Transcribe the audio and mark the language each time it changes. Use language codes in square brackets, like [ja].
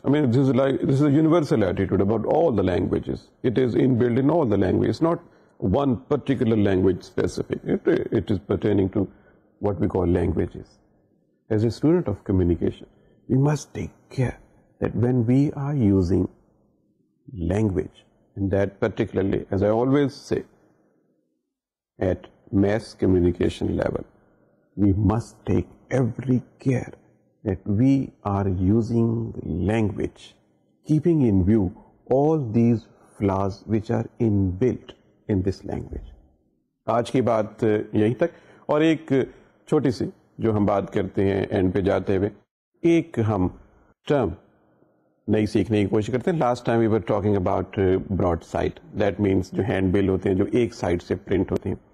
[en] I mean this is universal attitude about all the languages, it is inbuilt in all the language, not one particular language specific, it is pertaining to what we call languages. As a student of communication, we must take care that when we are using language, and that particularly, as I always say, at mass communication level, we must take every care that we are using language keeping in view all these flaws which are inbuilt in this language. [ur] آج کی بات یہیں تک, اور ایک چھوٹی سی جو ہم بات کرتے ہیں اینڈ پہ جاتے ہوئے, ایک ہم ٹرم نئی سیکھنے کی کوشش کرتے ہیں. [en] last time we were talking about broad sight, that means [ur] جو ہینڈ بل ہوتے ہیں جو ایک سائٹ سے پرنٹ ہوتے ہیں.